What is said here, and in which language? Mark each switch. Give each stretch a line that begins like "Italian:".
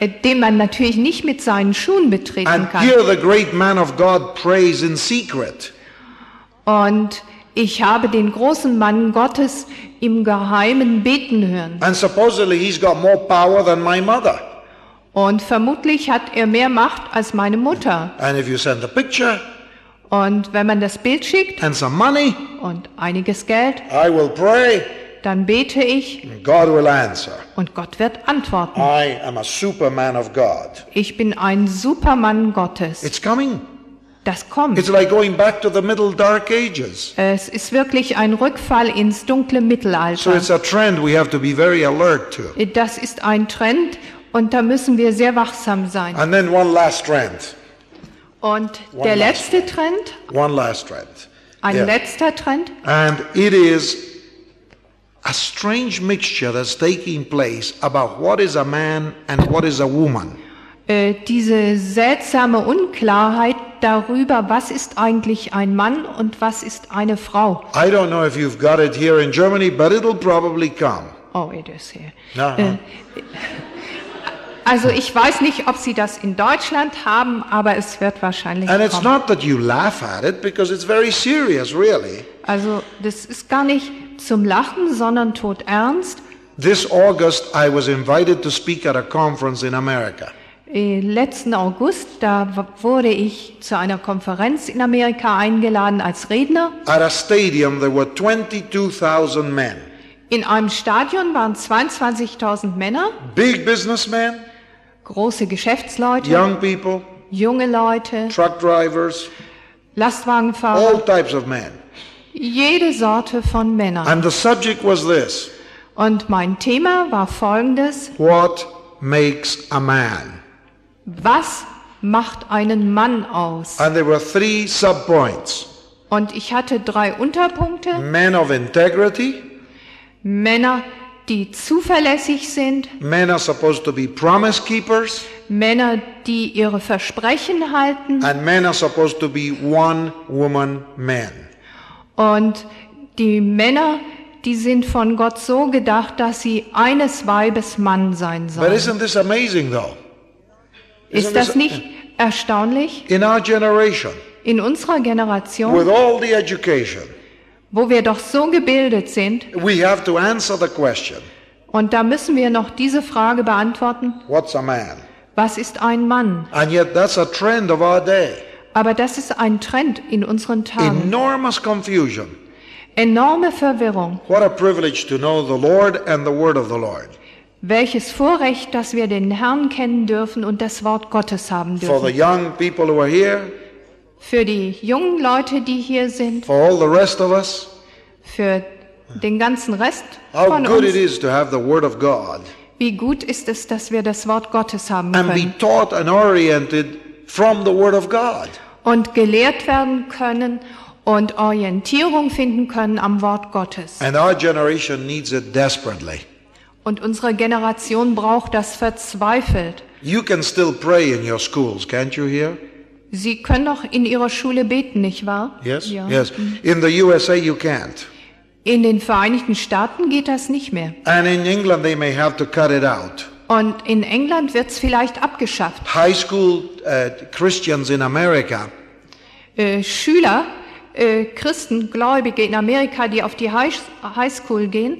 German: Den man natürlich nicht mit seinen Schuhen betreten
English: and
German: kann.
English: Here the great man of God prays in secret.
German: Und ich habe den großen Mann Gottes im Geheimen beten hören.
English: And supposedly he's got more power than my mother.
German: Und vermutlich hat er mehr Macht als meine Mutter.
English: And if you send the picture,
German: und wenn man das Bild schickt
English: and some money,
German: und einiges Geld,
English: I will pray,
German: dann bete ich,
English: God will answer.
German: Und Gott wird antworten.
English: I am a Superman of God.
German: Ich bin ein Supermann Gottes.
English: It's coming.
German: Das kommt.
English: It's like going back to the middle dark ages.
German: Es ist wirklich ein Rückfall ins dunkle Mittelalter.
English: So it's a trend we have to be very alert to.
German: Das ist ein Trend und da müssen wir sehr wachsam sein.
English: And then one last trend.
German: Und der letzte Trend.
English: One last trend.
German: Ein letzter Trend.
English: And it is a strange mixture that's taking place about what is a man and what is a woman.
German: Diese seltsame Unklarheit darüber, was ist eigentlich ein Mann und was ist eine Frau.
English: I don't know if you've got it here in Germany, but it'll probably come. Oh, it is here.
German: Also ich weiß nicht, ob Sie das in Deutschland haben, aber es wird wahrscheinlich
English: and
German: kommen.
English: And it's not that you laugh at it, because it's very serious, really.
German: Also das ist gar nicht zum Lachen, sondern todernst.
English: This August I was invited to speak at a conference in America.
German: Letzten August, da wurde ich zu einer Konferenz in Amerika eingeladen als Redner.
English: At a stadium there were 22,000 men.
German: In einem Stadion waren 22,000 Männer.
English: Big businessmen.
German: Große Geschäftsleute.
English: Young people.
German: Junge Leute.
English: Truck drivers.
German: Lastwagenfahrer.
English: All types of men.
German: Jede Sorte von Männern.
English: And the subject was this.
German: Und mein Thema war folgendes.
English: What makes a man?
German: Was macht einen Mann aus?
English: And there were three sub-points.
German: Und ich hatte drei Unterpunkte.
English: Men of integrity.
German: Männer, die zuverlässig sind.
English: Männer, supposed to be promise keepers.
German: Männer, die ihre Versprechen halten.
English: And men are supposed to be one woman men.
German: Und die Männer, die sind von Gott so gedacht, dass sie eines Weibes Mann sein sollen.
English: But isn't this amazing though?
German: Ist das nicht erstaunlich?
English: In our generation,
German: in unserer Generation,
English: with all the education,
German: wo wir doch so gebildet sind,
English: we have to answer the question,
German: und da müssen wir noch diese Frage beantworten,
English: what's a man?
German: Was ist ein Mann?
English: And yet that's a trend of our day.
German: Aber das ist ein Trend in unseren Tagen.
English: Enormous confusion.
German: Enorme Verwirrung.
English: What a privilege to know the Lord and the word of the Lord.
German: Welches Vorrecht, dass wir den Herrn kennen dürfen und das Wort Gottes haben dürfen.
English: For the young people who are here,
German: für die jungen Leute, die hier sind.
English: For all the rest of us,
German: für den ganzen Rest
English: how
German: von
English: good
German: uns.
English: It is to have the word of God,
German: wie gut ist es, dass wir das Wort Gottes haben
English: and
German: können.
English: Be taught and oriented from the word of God.
German: Und gelehrt werden können und Orientierung finden können am Wort Gottes.
English: And our generation needs it desperately.
German: Und unsere Generation braucht das verzweifelt.
English: You can still pray in your schools, can't you hear?
German: Sie können doch in Ihrer Schule beten, nicht wahr?
English: Yes, ja. Yes. In the USA you can't.
German: In den Vereinigten Staaten geht das nicht mehr.
English: And in England they may have to cut it out.
German: Und in England wird es vielleicht abgeschafft.
English: High school Christians in America.
German: Schüler, Christen, Gläubige in Amerika, die auf die High School gehen.